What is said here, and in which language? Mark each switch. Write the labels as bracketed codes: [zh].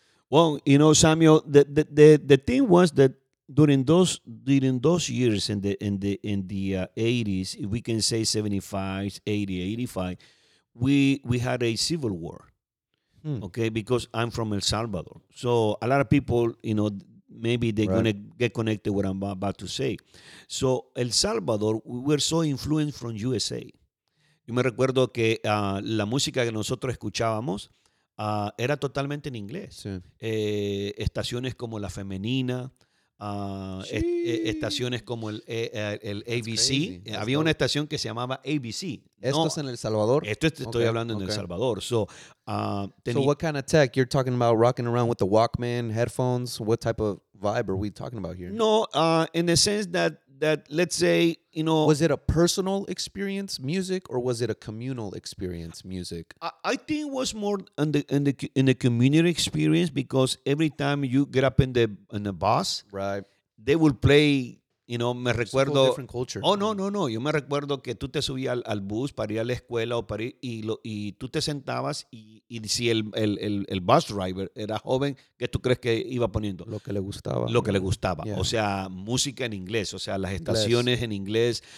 [en] Well, you know, Samuel, the thing was that during those years in the 80s, we can say 75, 80, 85, we had a civil war. Okay, because I'm from El Salvador. So a lot of people, you know, maybe they're going to get connected with what I'm about to say. So El Salvador, we were so influenced from USA. [es] Yo me recuerdo que la música que nosotros escuchábamos era totalmente en inglés. Sí. Estaciones como La Femenina, estaciones como el ABC. Había una estación que se llamaba ABC. ¿Esto es en El Salvador? Estoy hablando en El Salvador. So, [en] so what kind of tech? You're talking about rocking around with the Walkman, headphones. What type of vibe are we talking about here? No, in the sense that let's say, you know... Was it a personal experience, music, or was it a communal experience, music? I think it was more in the community experience, because every time you get up in the bus, right, they will play... You know, [es] me recuerdo, [en] different culture. Oh, no. [es] Yo me recuerdo que tú te subías al bus para ir a la escuela o para ir, y tú te sentabas y si el bus driver era joven, ¿qué tú crees que iba poniendo? Lo que le gustaba. Lo que le gustaba. Yeah. O sea, música en inglés, o sea, las estaciones en inglés.